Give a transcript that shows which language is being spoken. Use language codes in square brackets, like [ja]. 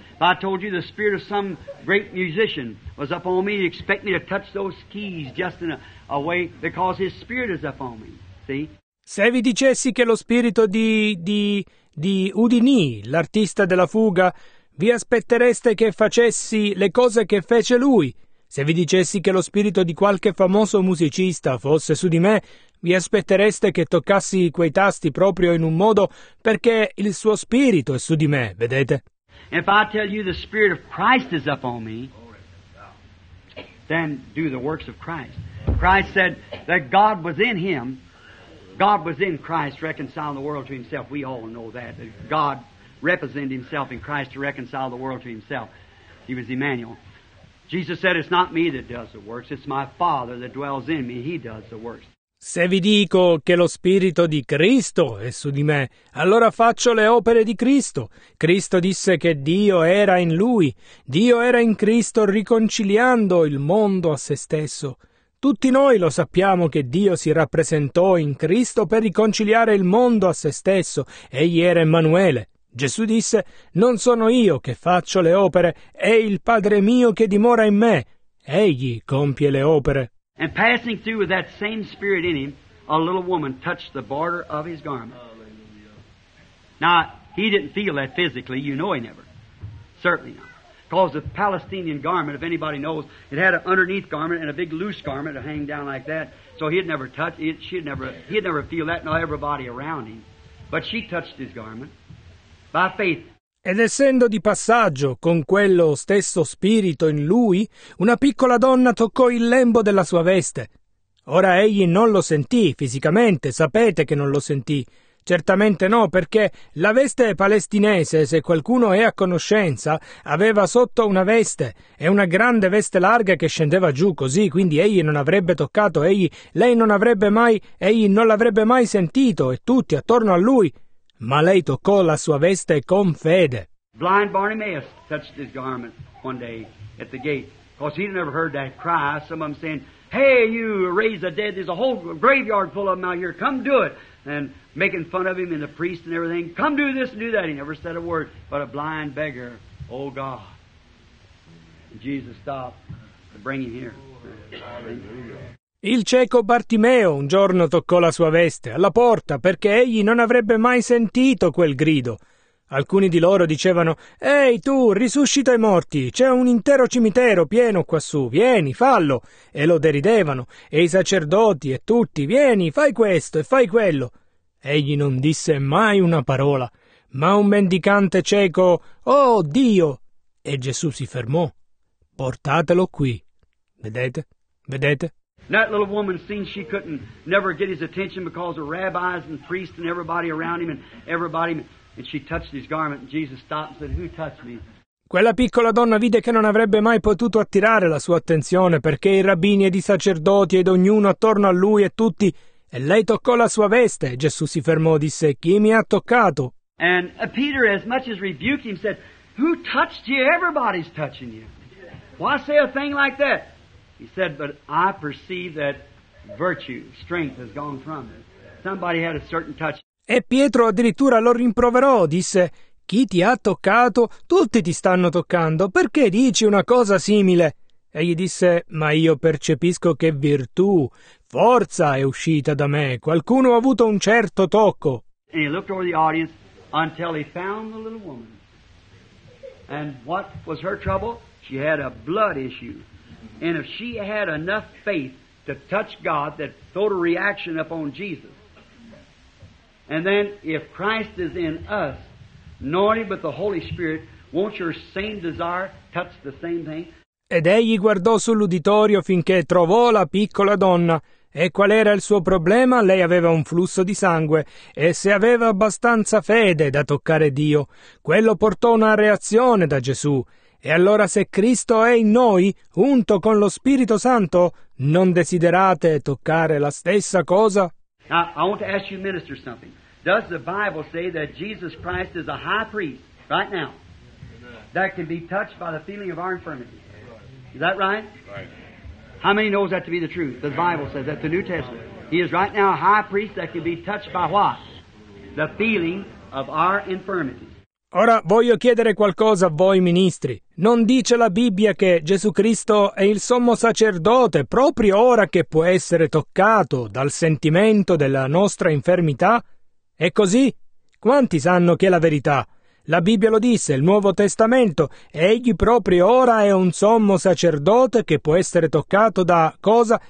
[en] If I told you the spirit of some great musician was up on me, you'd expect me to touch those keys just in a way because his spirit is up on me. See? [it] Se vi dicessi che lo spirito di Houdini, l'artista della fuga, vi aspettereste che facessi le cose che fece lui. Se vi dicessi che lo spirito di qualche famoso musicista fosse su di me, vi aspettereste che toccassi quei tasti proprio in un modo perché il suo spirito è su di me, vedete? [en] If I tell you the spirit of Christ is up on me, then do the works of Christ. Christ said that God was in him. God was in Christ reconciling the world to himself. We all know that God represented himself in Christ to reconcile the world to himself. He was Emmanuel. Jesus said, it's not me that does the works, it's my Father that dwells in me. He does the works. [it] Se vi dico che lo spirito di Cristo è su di me, allora faccio le opere di Cristo. Cristo disse che Dio era in lui. Dio era in Cristo riconciliando il mondo a se stesso. Tutti noi lo sappiamo che Dio si rappresentò in Cristo per riconciliare il mondo a se stesso. Egli era Emanuele. Gesù disse, non sono io che faccio le opere, è il Padre mio che dimora in me. Egli compie le opere. [en] And passing through with that same spirit in him, a little woman touched the border of his garment. Now, he didn't feel that physically, you know he never. Certainly not. Because the Palestinian garment, if anybody knows, it had an underneath garment and a big loose garment to hang down like that. So he had never touched it. He had never feel that, nor everybody around him. But she touched his garment by faith. [it] Ed essendo di passaggio con quello stesso spirito in lui, una piccola donna toccò il lembo della sua veste. Ora egli non lo sentì fisicamente, sapete che non lo sentì. Certamente no, perché la veste palestinese, se qualcuno è a conoscenza, aveva sotto una veste, è una grande veste larga che scendeva giù così, quindi egli non avrebbe toccato, egli non l'avrebbe mai sentito, e tutti attorno a lui. Ma lei toccò la sua veste con fede. [en] Blind Bartimaeus touched his garment one day at the gate, because he'd never heard that cry, some of them saying, hey, you raise the dead, there's a whole graveyard full of them out here, come do it. And making fun of him and the priest and everything. Come do this and do that. He never said a word. But a blind beggar, oh God. And Jesus stopped to bring him here. [it] Il cieco Bartimeo un giorno toccò la sua veste alla porta perché egli non avrebbe mai sentito quel grido. Alcuni di loro dicevano, ehi tu, risuscita i morti, c'è un intero cimitero pieno quassù, vieni, fallo. E lo deridevano, e i sacerdoti e tutti, vieni, fai questo e fai quello. Egli non disse mai una parola, ma un mendicante cieco, oh Dio! E Gesù si fermò, portatelo qui. Vedete? Vedete? [en] That little woman seen she couldn't never get his attention because of rabbis and priests and everybody around him and everybody... And she touched his garment, and Jesus stopped and said, who touched me? [it] Quella piccola donna vide che non avrebbe mai potuto attirare la sua attenzione, perché i rabbini ed i sacerdoti ed ognuno attorno a lui e tutti, e lei toccò la sua veste. Gesù si fermò e disse: chi mi ha toccato? [en] And Peter, as much as rebuked him, said, who touched you? Everybody's touching you. Why say a thing like that? He said, but I perceive that virtue, strength has gone from it. Somebody had a certain touch. [it] E Pietro addirittura lo rimproverò, disse: chi ti ha toccato? Tutti ti stanno toccando. Perché dici una cosa simile? Egli disse: ma io percepisco che virtù, forza è uscita da me. Qualcuno ha avuto un certo tocco. [en] And he looked over the audience until he found the little woman. And what was her trouble? She had a blood issue. And if she had enough faith to touch God, that throw a reaction upon Jesus. And then if Christ is in us, anointed with the Holy Spirit, won't your same desire touch the same thing? [it] Ed egli guardò sull'uditorio finché trovò la piccola donna. E qual era il suo problema? Lei aveva un flusso di sangue. E se aveva abbastanza fede da toccare Dio, quello portò una reazione da Gesù. E allora se Cristo è in noi, unto con lo Spirito Santo, non desiderate toccare la stessa cosa? [en] Now, I want to ask you, minister, something. Does the Bible say that Jesus Christ is a high priest, right now, that can be touched by the feeling of our infirmity? Is that right? Right. How many knows that to be the truth? The Bible says that, the New Testament. He is right now a high priest that can be touched by what? The feeling of our infirmity. [it] Ora voglio chiedere qualcosa a voi ministri. Non dice la Bibbia che Gesù Cristo è il sommo sacerdote proprio ora che può essere toccato dal sentimento della nostra infermità? È così? Quanti sanno che è la verità? La Bibbia lo disse, il Nuovo Testamento, egli proprio ora è un sommo sacerdote che può essere toccato da cosa?